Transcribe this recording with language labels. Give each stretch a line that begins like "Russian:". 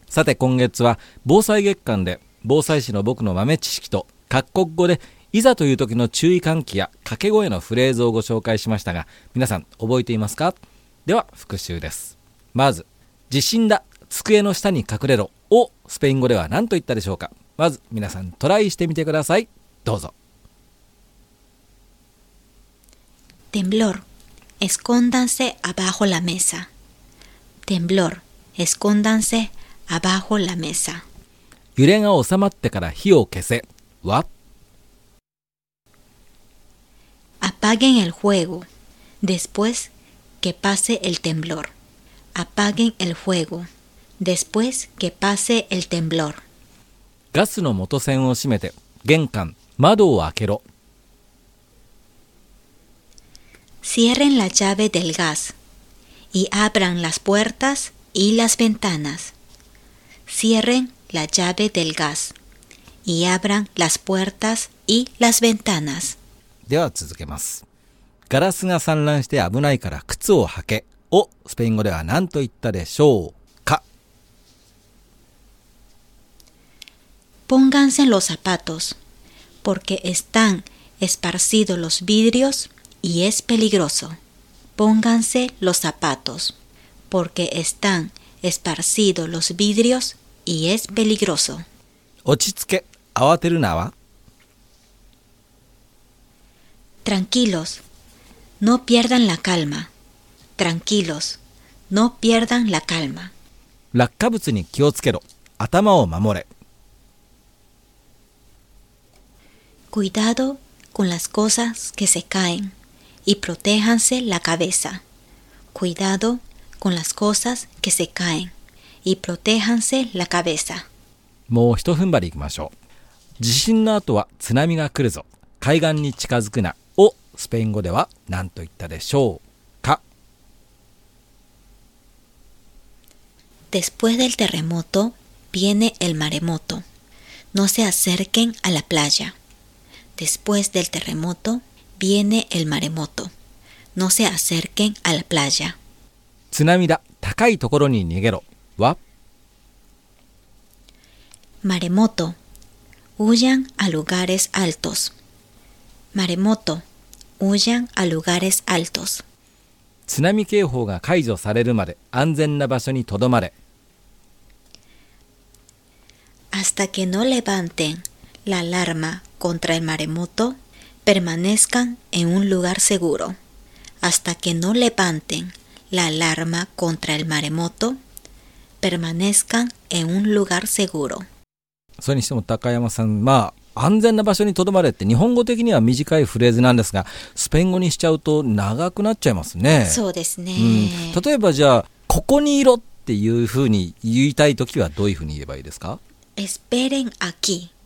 Japanese: さて今月は防災月間で、防災士の僕の豆知識と各国語でいざという時の注意喚起や掛け声のフレーズをご紹介しましたが、皆さん覚えていますか？では復習です。まず、地震だ、机の下に隠れろをスペイン語では何と言ったでしょうか？まず皆さんトライしてみてください。どうぞ。
Spanish: Temblor. Escóndanse abajo la mesa. Temblor. Escóndanse abajo la mesa.
Japanese: 揺れが収まってから火を消せは
Spanish: Apaguen el fuego después que pase el temblor. Apaguen el fuego después que pase el temblor.
Japanese: ガスの元栓を閉めて玄関、窓を開けろ。
Spanish: Cierren la llave del gas y abran las puertas y las ventanas. Cierren la llave del gas y abran las puertas y las ventanas.
Japanese: では続けます。ガラスが散乱して危ないから靴を履けをスペイン語では何と言ったでしょうか？
Spanish: Pónganse los zapatos porque están esparcidos los vidrios. Y es peligroso. Pónganse los zapatos, porque están esparcidos los vidrios y es peligroso.
Japanese: 落ち着け、慌てるなは。
Spanish: Tranquilos, no pierdan la calma. Tranquilos, no pierdan la calma.
Japanese: 落下物に気をつけろ、頭を守れ。
Spanish: Cuidado con las cosas que se caen. Y protéjanse la cabeza. Cuidado con las cosas que se caen. Y protéjanse la cabeza.
Japanese: もう一踏ん張りいきましょう。地震の後は津波が来るぞ。海岸に近づくな。をスペイン語では何と言ったでしょうか？
Spanish: Después del terremoto viene el maremoto. No se acerquen a la playa. Después del terremoto. Viene el maremoto. No se acerquen a la playa.
Japanese: 津波だ。高いところに逃げろ。は
Spanish: Maremoto. Huyan a lugares altos. Maremoto. Huyan a lugares altos.
Japanese: 津波警報が解除されるまで安全な場所にとどまれ。
Spanish: Hasta que no levanten la alarma contra el maremoto. Permanezcan en un lugar seguro. Hasta que no levanten la alarma contra el maremoto, permanezcan en un lugar seguro.
Japanese: それにしても高山さん、まあ、安全な場所にとどまれって日本語的には短いフレーズなんですが、スペイン語にしちゃうと長くなっちゃいますね。そうですね。例えばじゃあ、ここにいろっていうふうに言いたいときはどういうふうに言えばいいですか？
Spanish: Esperen aquí.